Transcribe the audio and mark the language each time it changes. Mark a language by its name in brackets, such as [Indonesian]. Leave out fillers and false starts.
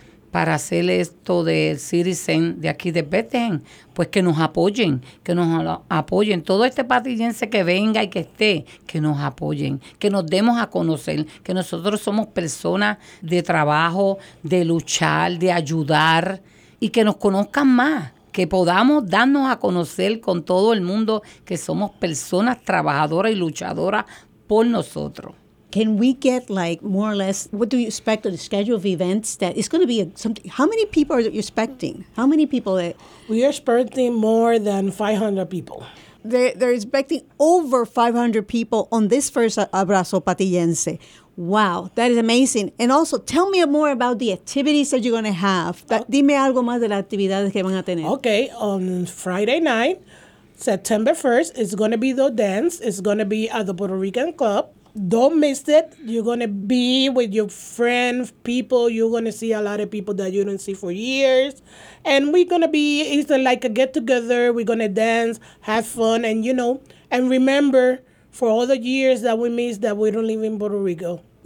[Spanish] para hacer esto del citizen de aquí de Bethlehem, pues que nos apoyen, todo este patillense que venga y que esté, que nos apoyen, que nos demos a conocer, que nosotros somos personas de trabajo, de luchar, de ayudar, y que nos conozcan más, que podamos darnos a conocer con todo el mundo que somos personas trabajadoras y luchadoras por nosotros. [English] Can we get, like, more or less, what do you expect of the schedule of events that is going to be something? How many people are you expecting? How many people? We are expecting more than 500 people. They're expecting over 500 people on this first Abrazo Patillense. Wow, that is amazing. And also, tell me more about the activities that you're going to have. [Spanish] Dime algo más de las actividades que van a tener. [English] Okay, on Friday night, September 1st, it's going to be the dance. It's going to be at the Puerto Rican Club. Don't miss it. You're going to be with your friends, people. You're going to see a lot of people that you don't see for years. And we're going to be, it's like a get-together. We're going to dance, have fun, and, you know, and remember for all the years that we miss that we don't live in Puerto Rico.